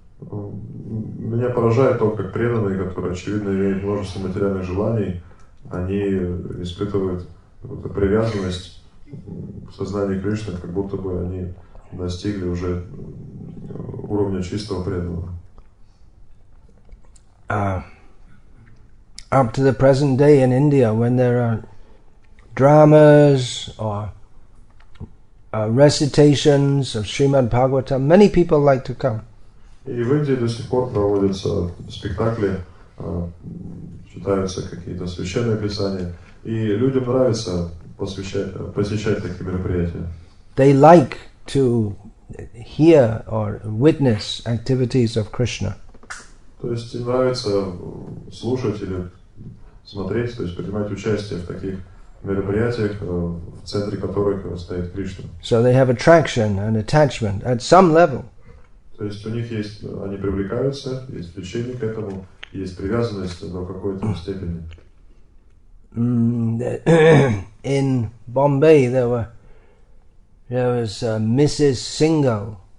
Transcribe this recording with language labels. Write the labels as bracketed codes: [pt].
[ru] Меня поражает то, как преданные, которые, очевидно, имеют множество материальных желаний, они испытывают какую-то привязанность к сознанию Кришны, как будто бы они достигли уже уровня чистого преданного. [en] Up to the present day in India, when there are dramas or recitations of Srimad Bhagavatam, many people like to come. [ru] И в Индии до сих пор проводятся спектакли, читаются какие-то священные писания, и людям нравится посещать такие мероприятия. [en] They like to hear or witness activities of Krishna. [ru] То есть им нравится слушать или смотреть, то есть принимать участие в таких мероприятиях, в центре которых стоит Кришна. [en] So they have attraction and attachment at some level. [ru] То есть у них есть, они привлекаются, есть влечение к этому, есть привязанность до какой-то степени. [en] In Bombay there was Mrs. Singhal.